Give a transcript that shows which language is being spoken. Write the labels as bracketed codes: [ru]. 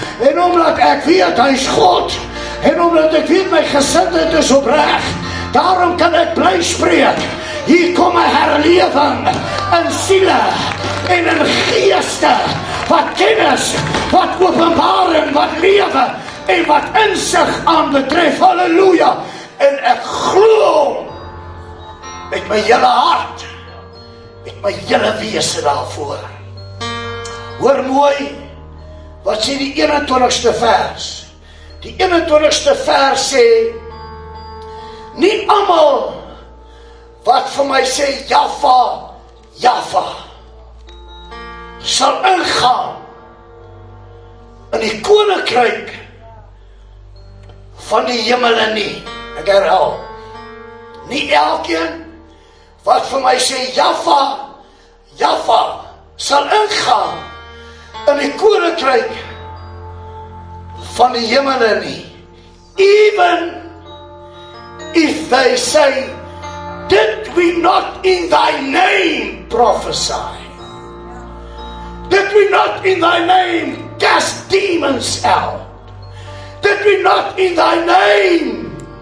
[af] En omdat ek weet hy is God, en omdat ek weet my gesindheid is opreg, daarom kan ek bly spreek, hier kom 'n herlewing in siele en in geeste, wat kennis, wat openbaring, wat lewe en wat insig aan betref. Halleluja! En ek glo met my hele hart, met my hele wese daarvoor. Hoor mooi, wat sê die 21ste vers? Die 21ste vers sê, nie almal wat vir my sê, Jaffa, Jaffa, sal ingaan in die koninkryk van die hemele nie. Ek herhaal, nie elkeen wat vir my sê, Jaffa, Jaffa, sal ingaan in die koninkryk van die hemele nie. [en] Even if they say, did we not in thy name prophesy? Did we not in thy name cast demons out? Did we not in thy name